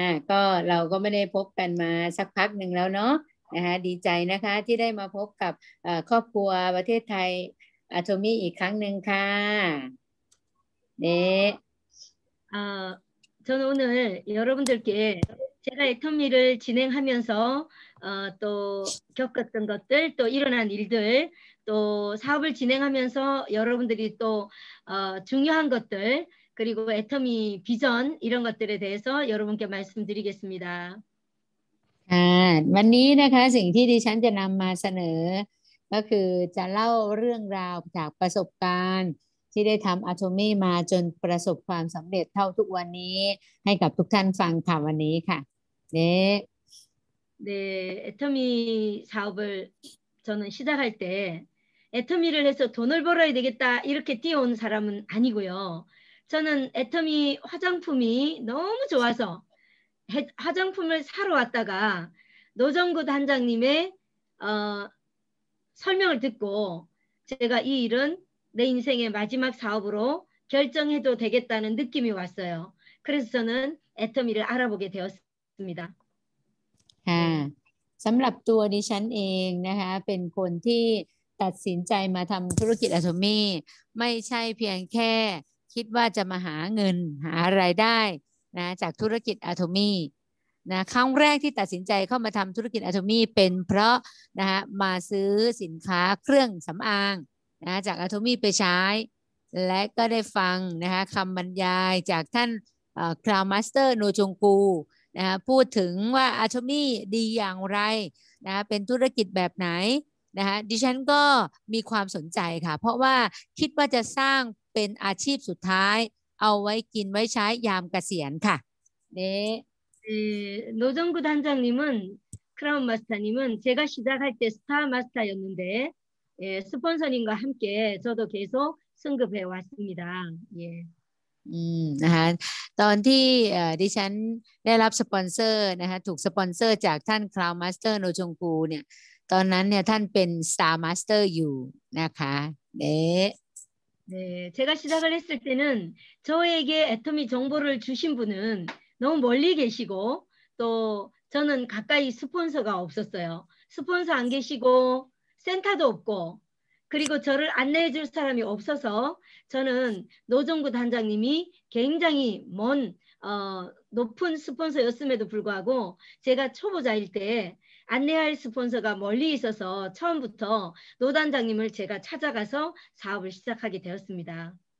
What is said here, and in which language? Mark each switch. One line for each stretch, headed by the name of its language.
Thai: ก็เราก็ไม่ได้พบกันมาสักพักหนึ่งแล้วเนาะนะคะดีใจนะคะที่ได้มาพบกับครอบครัวประเทศไทยอาโทมี่อีกครั้งหนึ่งค่ะเนี่ย
Korean: 저는 오늘 여러분들께 제가 애터미를 진행하면서 또 겪었던 것들, 또 일어난 일들, 또 사업을 진행하면서 여러분들이 또 중요한 것들, 그리고 애터미 비전 이런 것들에 대해서 여러분께 말씀드리겠습니다.
Thai: วันนี้นะคะสิ่งที่ดิฉันจะนำมาเสนอก็คือจะเล่าเรื่องราวจากประสบการณ์ที่ได้ทำอาโทมี่มาจนประสบความสำเร็จเท่าทุกวันนี้ให้กับทุกท่านฟังค่ะวันนี้ค่ะเนี่ย
Korean: 네, 애터미 사업을 저는 시작할 때 애터미를 해서 돈을 벌어야 되겠다 이렇게 뛰어온 사람은 아니고요. 저는 애터미 화장품이 너무 좋아서 화장품을 사러 왔다가 노정구 단장님의 설명을 듣고 제가 이 일은 내 인생의 마지막 사업으로 결정해도 되겠다는 느낌이 왔어요. 그래서 저는 애터미를 알아보게 되었습니다.
Thai: ค่ะสำหรับตัวดิฉันเองนะคะเป็นคนที่ตัดสินใจมาทำธุรกิจอาโทมี่ไม่ใช่เพียงแค่คิดว่าจะมาหาเงินหารายได้นะจากธุรกิจอาโทมี่นะครั้งแรกที่ตัดสินใจเข้ามาทำธุรกิจอาโทมี่เป็นเพราะนะฮะมาซื้อสินค้าเครื่องสำอางนะจากอาโทมี่ไปใช้ และก็ได้ฟังนะคะคำบรรยายจากท่านคราวมาสเตอร์โนจงกูนะพูดถึงว่าอาโทมี่ดีอย่างไรนะเป็นธุรกิจแบบไหนนะฮะดิฉันก็มีความสนใจค่ะเพราะว่าคิดว่าจะสร้างเป็นอาชีพสุดท้ายเอาไว้กินไว้ใช้ยามเกษียณค่ะเนี่ย
Korean: 노정구 단장님은 크라운 마스터님은 제가 시작할 때 스타 마스터였는데 예, 스폰서님과 함께 저도 계속 승급해 왔습니다. 예.
Thai: นะคะตอนที่ดิฉันได้รับสปอนเซอร์นะคะถูกสปอนเซอร์จากท่านคลาวมาสเตอร์โนชงกูเนี่ยตอนนั้นเนี่ยท่านเป็นสตาร์มาสเตอร์อยู่นะคะเด
Korean: 네, 제가 시작을 했을 때는 저에게 애터미 정보를 주신 분은 너무 멀리 계시고 또 저는 가까이 스폰서가 없었어요. 스폰서 안 계시고 센터도 없고 그리고 저를 안내해 줄 사람이 없어서 저는 노정구 단장님이 굉장히 먼 높은 스폰서였음에도 불구하고 제가 초보자일 때 안내할 스폰서가 멀리 있어서 처음부터 노 단장님을 제가 찾아가서 사업을 시작하게 되었습니다.